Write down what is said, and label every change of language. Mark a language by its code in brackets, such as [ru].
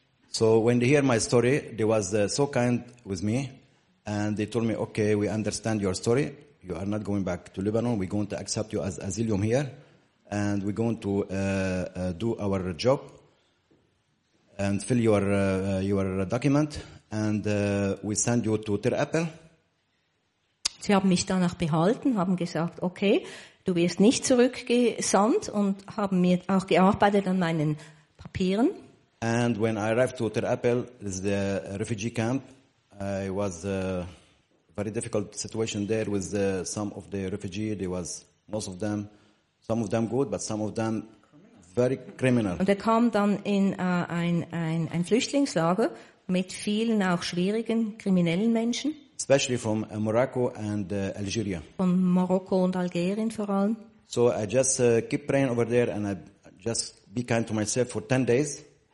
[en] So, when they hear my story, they was so kind with me and they told me, okay, we understand your story, you are not going back to Lebanon, we're going to accept you as asylum here and we're going to do our job. And fill your document, and we send you to Tir Apel. [de] Sie haben mich danach behalten, haben gesagt, okay, du wirst nicht zurückgesandt, und haben mir auch gearbeitet an meinen Papieren. [en] And when I arrived to Tel Apel, the refugee camp, it was a very difficult situation there with the, some of the refugees. There was most of them, some of them good, but some of them very criminal. [de] Und er kam dann in ein Flüchtlingslager mit vielen auch schwierigen kriminellen Menschen. [en] Especially from Morocco and Algeria. [de] Von Marokko und Algerien vor allem. [en] So I just keep praying over there, and I just be kind to myself for 10 days.